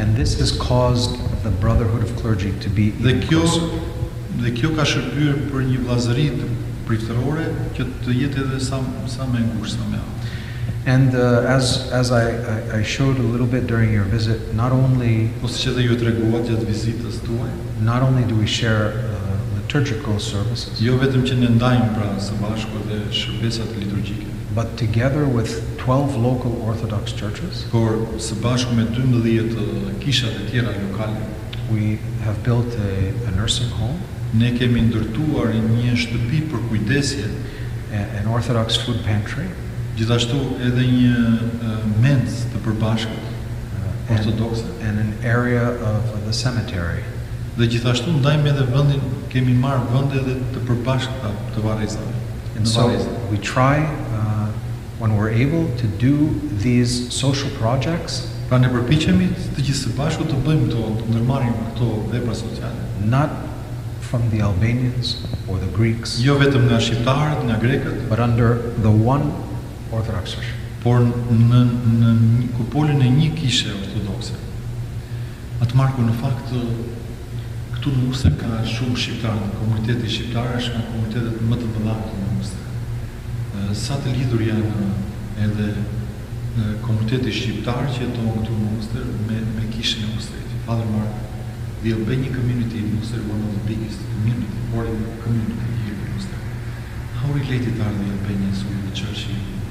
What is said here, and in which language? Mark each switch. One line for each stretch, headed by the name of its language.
English: And this has caused the brotherhood of clergy to be
Albanian: dhe kjo
English: closer.
Albanian: Dhe kjo ka shërbyer për një vllazëri priftërore që të jetë edhe sa më ngushtë sa më aftë.
English: And as I showed a little bit during your visit, not only do we share liturgical services, but together with 12 local Orthodox churches, we have built a nursing home.
Albanian: Ne kemi ndërtuar një shtëpi për kujdesje
English: an Orthodox food pantry.
Albanian: Gjithashtu edhe një mens të përbashkët ortodokse.
English: And an area of the cemetery.
Albanian: Dhe gjithashtu ndajmë edhe vendin, kemi marrë vend edhe të përbashkëta të varrezave.
English: And so we try when we're able to do these social projects.
Albanian: Pra ne përpiqemi të gjithë së bashku të bëjmë këto, të ndërmarrim këto vepra sociale.
English: Not from the Albanians or the Greeks.
Albanian: Jo vetëm nga shqiptarët, nga grekët,
English: but under the one Orthodox church.
Albanian: Por në kupolin e një kishe ortodokse. Atë Marku, në fakt këtu në Worcester ka shumë shqiptarë, komuniteti shqiptar është nga komunitetet më të mëdha këtu në Worcester. Sa të lidhur janë edhe komuniteti shqiptar që jeton këtu në Worcester me kishën e Worcesterit.
English: Father Mark, the Albanian community in Worcester, one of the biggest community, foreign community here in Worcester. How related are the Albanians with the church here?